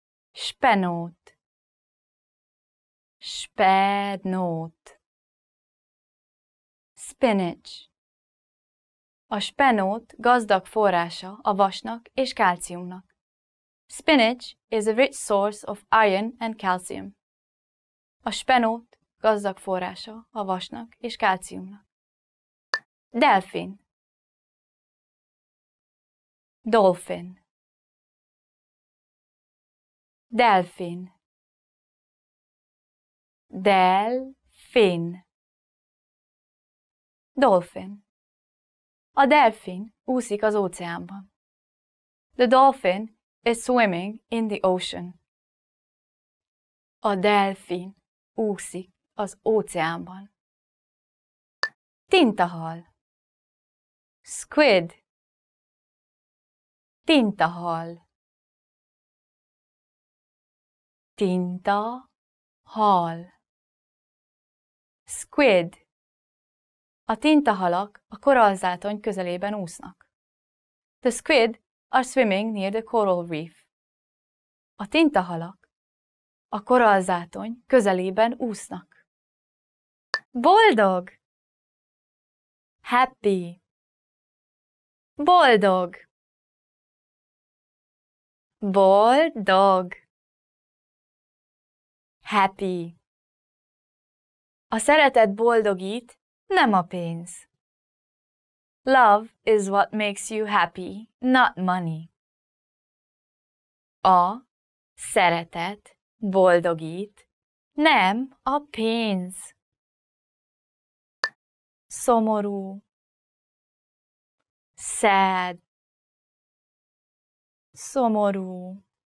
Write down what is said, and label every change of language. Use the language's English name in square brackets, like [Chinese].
[Hungarian] Spenót. Spenót. [English] Spinach. [Hungarian] A spenót gazdag forrása a vasnak és kalciumnak. [English] Spinach is a rich source of iron and calcium. [Hungarian] A spenót gazdag forrása a vasnak és kalciumnak. Delfin. [English] Dolphin. [Hungarian] Delfin. Delfin. [English] Dolphin. [Hungarian] A delfin úszik az óceánban. [English] The dolphin is swimming in the ocean. [Hungarian] A delfin úszik az óceánban. Tintahal. [English] Squid. [Hungarian] Tintahal. Tinta hal. [English] Squid. [Hungarian] A tintahalak a korallzátony közelében úsznak. [English] The squid are swimming near the coral reef. [Hungarian] A tintahalak a korallzátony közelében úsznak. Boldog. [English] Happy. [Hungarian] Boldog. Boldog. [English] Happy. [Hungarian] A szeretet boldogít, nem a pénz. [English] Love is what makes you happy, not money. [Hungarian] A szeretet boldogít, nem a pénz. Szomorú. [English] Sad. [Hungarian] Szomorú.